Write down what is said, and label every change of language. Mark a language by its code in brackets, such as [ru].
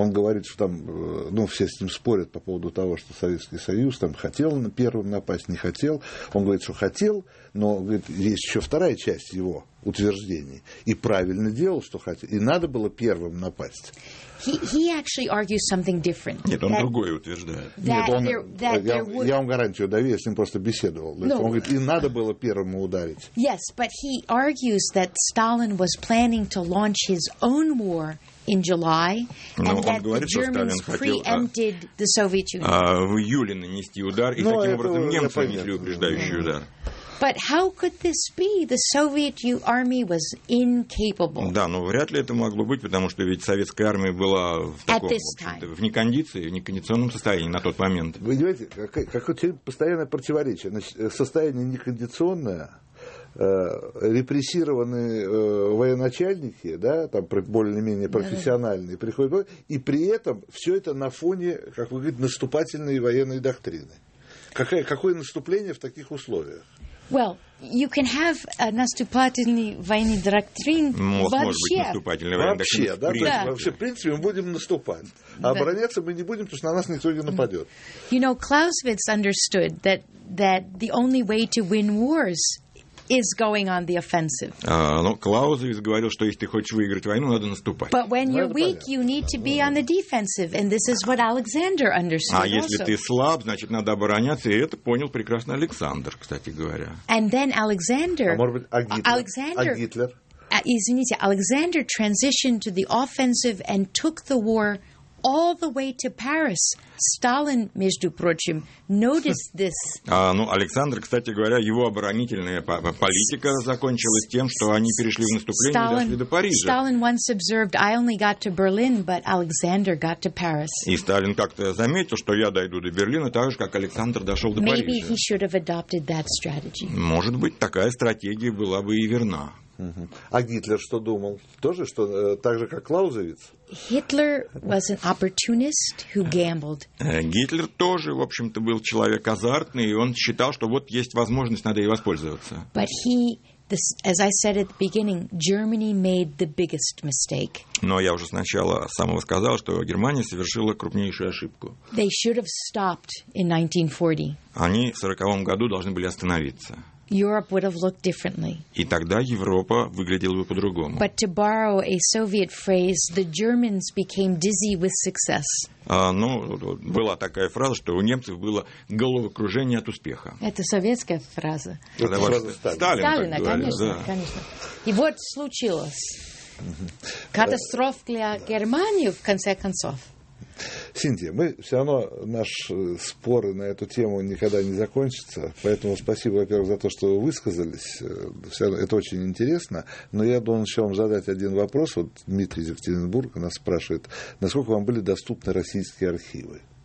[ru] Он говорит, что там, ну, все с ним спорят по поводу того, что Советский Союз там хотел первым напасть, не хотел. Он говорит, что хотел, но говорит, есть еще вторая часть его утверждений. И правильно делал, что хотел, и надо было первым напасть. [en] He actually argues something different. [ru] Нет, он другое утверждает. Я вам гарантию даю, я с ним просто беседовал. [en] No. [ru] Он говорит, и надо было первому ударить. [en] Yes, but he argues that Stalin was planning to launch his own war in July, and that [ru] говорит, [en] the Germans preempted the Soviet Union. [ru] В июле нанести удар, и таким образом немцы нанесли упреждающий удар. [en] But how could this be? The Soviet army was incapable. [ru] Да, но вряд ли это могло быть, потому что ведь советская армия была в таком, в некондиции, в некондиционном состоянии на тот момент. Вы понимаете, какое постоянное противоречие. Значит, состояние некондиционное, репрессированные военачальники, да, там более-менее профессиональные, приходят, и при этом все это на фоне, как вы говорите, наступательной военной доктрины. Какое наступление в таких условиях? [en] Well, you can have a [ru] наступательный военный доктрин вообще. Может быть, наступательный военный доктрин. Вообще, да, то есть, вообще, в принципе, мы будем наступать. А обороняться мы не будем, потому что на нас никто не нападет. [en] You know, Clausewitz understood that the only way to win wars is going on the offensive. [ru] Ну, Клаузевиц говорил, что если ты хочешь выиграть войну, надо наступать. [en] But when you're weak, you need to be on the defensive, and this is what Alexander understood also. [ru] А если ты слаб, значит, надо обороняться, и это понял прекрасно Александр, кстати говоря. [en] And then Alexander... [ru] А может быть, а Гитлер? [en] Alexander, [ru] а Гитлер? Извините, [en] Alexander transitioned to the offensive and took the war all the way to Paris. Stalin, [ru] между прочим, [en] noticed this. [ru] Ну, Александр, кстати говоря, его оборонительная политика закончилась тем, что они перешли в наступление [en] Stalin, [ru] и дошли до Парижа. [en] Stalin once observed, I only got to Berlin, but Alexander got to Paris. [ru] И Сталин как-то заметил, что я дойду до Берлина, так же, как Александр дошел до [en] Maybe [ru] Парижа. [en] Maybe he should have adopted that strategy. [ru] Может быть, такая стратегия была бы и верна. А Гитлер что думал? Тоже, что так же, как Клаузевиц? [en] Hitler was an opportunist who gambled. [ru] Гитлер тоже, в общем-то, был человек азартный, и он считал, что вот есть возможность, надо ей воспользоваться. [en] But he, this, as I said at the beginning, Germany made the biggest mistake. [ru] Но я уже сначала самого сказал, что Германия совершила крупнейшую ошибку. [en] They should have stopped in 1940. [ru] Они в 40-м году должны были остановиться. [en] Europe would have looked differently. [ru] И тогда Европа выглядела бы по-другому. [en] But to borrow a Soviet phrase, the Germans became dizzy with success. [ru] Ну, была такая фраза, что у немцев было головокружение от успеха. Это советская фраза. Это фраза Сталина. Сталина, конечно, конечно. И вот случилось. Катастроф для Германии, в конце концов. Синтия, мы все равно наши споры на эту тему никогда не закончатся, поэтому спасибо, во-первых, за то, что вы высказались, все равно это очень интересно, но я должен еще вам задать один вопрос, вот Дмитрий из Екатеринбурга нас спрашивает, насколько вам были доступны российские архивы?